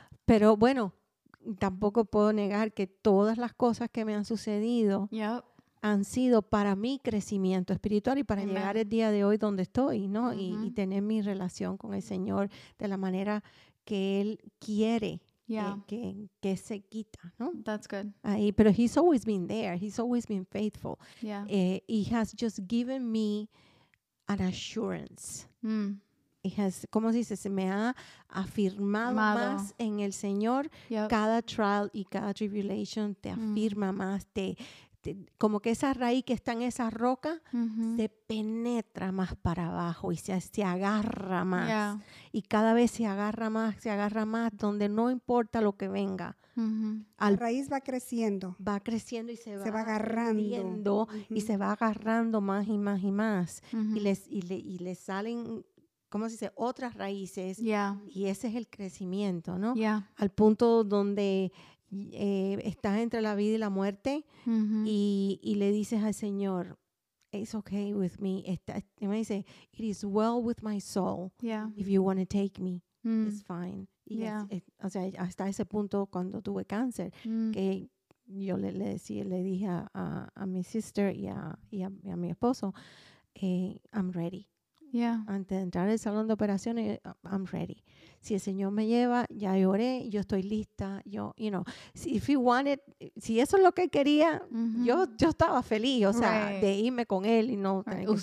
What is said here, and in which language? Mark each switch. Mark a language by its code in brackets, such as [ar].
[es] Pero bueno, tampoco puedo negar que todas las cosas que me han sucedido han sido para mi crecimiento espiritual y para llegar el día de hoy donde estoy, ¿no? Uh-huh. Y tener mi relación con el Señor de la manera que Él quiere. [en] Yeah. [es] Que se quita, ¿no? [en] That's good. [es] Ahí, pero [en] he's always been there. He's always been faithful. Yeah. He has just given me an assurance. Mm. He has, [es] ¿cómo se dice? Se me ha afirmado más en el Señor. [en] Yep. [es] Cada trial y cada tribulation te afirma más. Te, como que esa raíz que está en esa roca se penetra más para abajo y se agarra más. [en] Yeah. [es] Y cada vez se agarra más, donde no importa lo que venga. Uh-huh. La raíz va creciendo. Va creciendo y se va agarrando. Y se va agarrando más y más y más. Uh-huh. Y les salen, ¿cómo se dice? Otras raíces. [en] Yeah. [es] Y ese es el crecimiento, ¿no? [en] Yeah. [es] Al punto donde... estás entre la vida y la muerte y le dices al Señor, [en] it's okay with me. [es] Y me dice, [en] it is well with my soul. Yeah. If you want to take me, it's fine. [es] Y o sea, hasta ese punto cuando tuve cáncer, que yo le decía, le dije a mi sister y a mi esposo, [en] I'm ready. Yeah. [es] Antes de entrar al salón de operaciones, [en] I'm ready. [es] Si el Señor me lleva, ya lloré, yo estoy lista. Yo, [en] you know, if he wanted, [es] si eso es lo que quería, yo estaba feliz, o sea, de irme con él y no tener que